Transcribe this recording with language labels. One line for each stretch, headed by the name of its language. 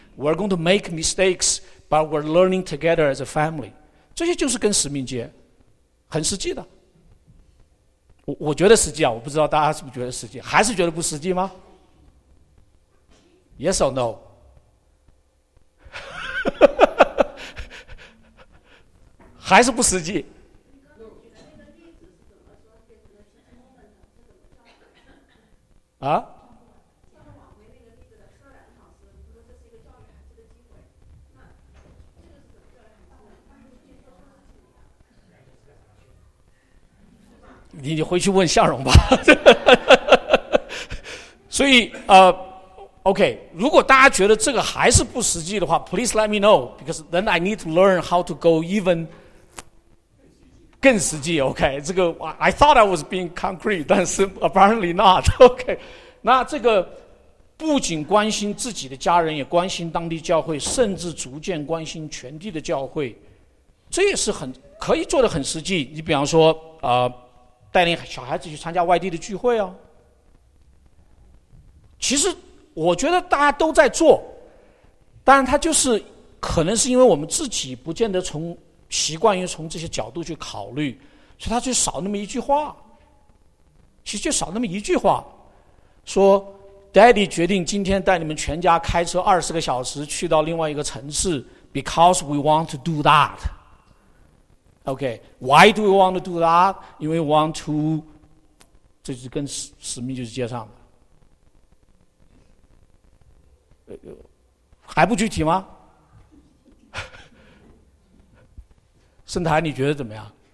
English: We're going to make mistakes, but we're learning together as a family.
Chinese: 这些就是跟使命接，很实际的。我觉得实际啊，我不知道大家是不是觉得实际，还是觉得不实际吗 ？
English: Yes or no？
Chinese: 还是不实际？啊？你回去问向荣吧。
English: 所以OK，
Chinese: 如果大家觉得这个还是不实际的话，
English: please let me know， because then I need to learn how to go even
Chinese: 更实际。
English: OK，
Chinese: 这个
English: I thought I was being concrete，
Chinese: 但是
English: apparently not。
Chinese: OK， 那这个不仅关心自己的家人，也关心当地教会，甚至逐渐关心全地的教会，这也是很可以做的很实际。你比方说带领小孩子去参加外地的聚会啊，其实我觉得大家都在做，但他就是可能是因为我们自己不见得从习惯于从这些角度去考虑，所以他就少那么一句话，其实就少那么一句话，说 Daddy 决定今天带你们全家开车20个小时去到另外一个城市，
English: because we want to do that。 OK， why do we want to do that?
Chinese: 因为
English: want to，
Chinese: 这就是跟使命就是接上的。还不具体吗？盛台你觉得怎么样？